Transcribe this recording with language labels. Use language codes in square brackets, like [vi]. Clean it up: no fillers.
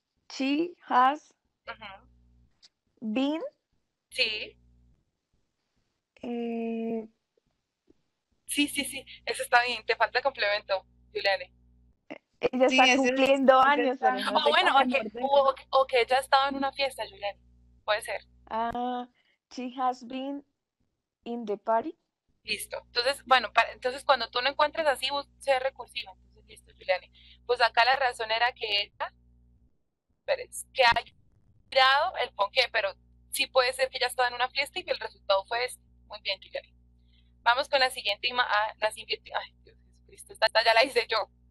[en] She has been [es] Sí. Sí, eso está bien, te falta complemento, Juliani. Ella Sí, está cumpliendo ese años, pero está. no sé Bueno, cómo en orden. o que ella estaba en una fiesta, Juliana. Puede ser. [en] She has been in the party. [es] Listo. Entonces, bueno, entonces cuando tú no encuentres así, sea recursiva. Entonces, listo, Juliana. Pues acá la razón era que ella, pero es que haya tirado el ponqué, pero sí puede ser que ella estaba en una fiesta y que el resultado fue este. Muy bien, Juliana. Vamos con la siguiente imagen. Ay, Dios Jesucristo, esta ya la hice yo.